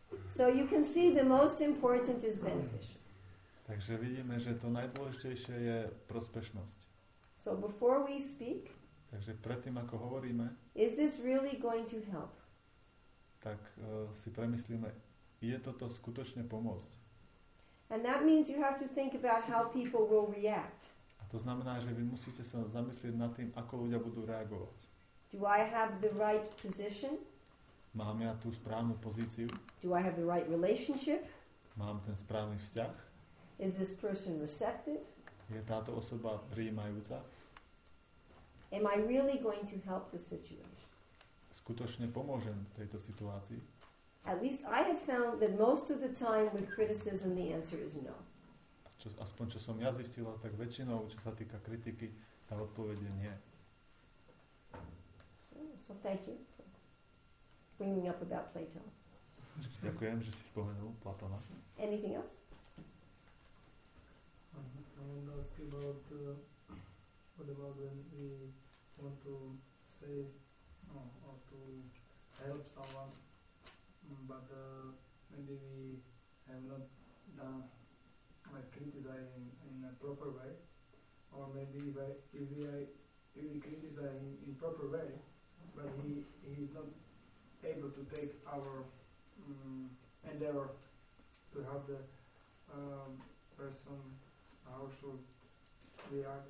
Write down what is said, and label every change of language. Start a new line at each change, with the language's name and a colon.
English: So you can see the most important is beneficial.
Slovak: Takže vidíme, že to najdôležitejšie je prospešnosť.
English: So before we speak,
Slovak: takže predtým ako hovoríme,
English: is this really going to help?
Slovak: Tak si premyslíme, je toto skutočne pomôcť?
English: And that means you have to think about how people will react.
Slovak: To znamená, že vy musíte sa zamyslieť nad tým, ako ľudia budú reagovať.
English: Do I have the right position?
Slovak: Mám ja tú správnu pozíciu?
English: Do I have the right relationship?
Slovak: Mám ten správny vzťah?
English: Is this person receptive?
Slovak: Je táto osoba prijímajúca?
English: Am I really going to help the situation?
Slovak: Skutočne pomôžem tejto situácii?
English: At least I have found that most of the time with criticism the answer is no.
Slovak: Čo, aspoň čo som ja zistila, tak väčšinou, čo sa týka kritiky, tá odpoveď je nie.
English: So thank you for bringing up about Plato.
Slovak: Ďakujem, že si spomenul Platona.
English: Anything else? I want to ask about what about when we want to say or to help someone, but maybe we have not done like criticize in a proper way, or maybe if we criticize him in proper way, but he is not able to take our endeavor to help the person, how should react?